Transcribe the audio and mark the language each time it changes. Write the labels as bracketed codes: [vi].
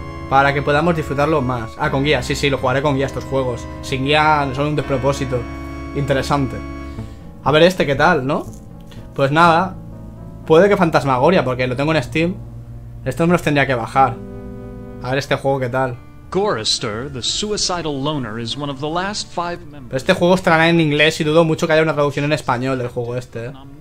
[es] Para que podamos disfrutarlo más. Ah, con guía, sí, sí, lo jugaré con guía estos juegos. Sin guía son un despropósito. Interesante. A ver este, ¿qué tal, no? Pues nada, puede que Fantasmagoria, porque lo tengo en Steam. Esto me los tendría que bajar. A ver este juego qué tal. [en] Gorister, the suicidal loner, is one of the last five members. [es] Pero este juego estará en inglés y dudo mucho que haya una traducción en español del juego este.